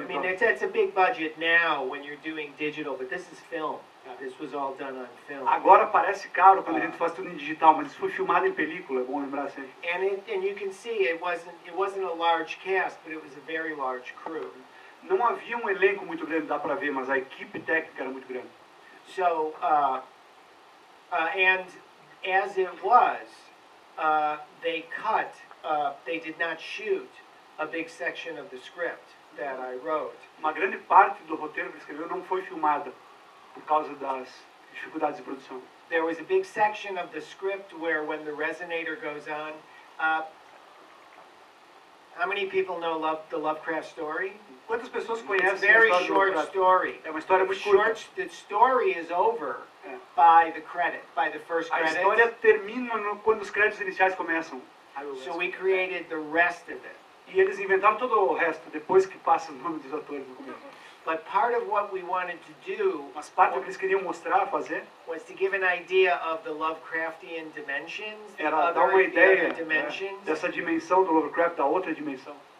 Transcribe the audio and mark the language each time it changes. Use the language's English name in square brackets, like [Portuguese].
[English] I mean, that's a big budget now when you're doing digital, but this is film. This was all done on film. [Portuguese] Agora parece caro quando a gente faz tudo em digital, mas isso foi filmado em película, é bom lembrar sempre. [English] And you can see it wasn't a large cast, but it was a very large crew. [Portuguese] Não havia um elenco muito grande, dá para ver, mas a equipe técnica era muito grande. [English] So, and as it was, they cut, they did not shoot a big section of the script that I wrote. [Portuguese] Uma grande parte do roteiro que escreveu não foi filmada por causa das dificuldades de produção. [English] There was a big section of the script where when the resonator goes on, how many people know the Lovecraft story? [Portuguese] Quantas pessoas conhecem [English] it's a very short story. [Portuguese] É uma história muito curta. [English] The story is over by the credit, by the first credit. [Portuguese] A história termina quando os créditos iniciais começam. [English] So we created the rest of it. [Portuguese] E eles inventaram todo o resto depois que passa o nome dos atores no começo. [English] But part of what we wanted to do, [Portuguese] mas parte do que eles queriam mostrar, fazer, [English] was to give an idea of the Lovecraftian dimensions, [Portuguese] era dar uma ideia, dimensions. Né, dessa dimensão do Lovecraft, da outra dimensão.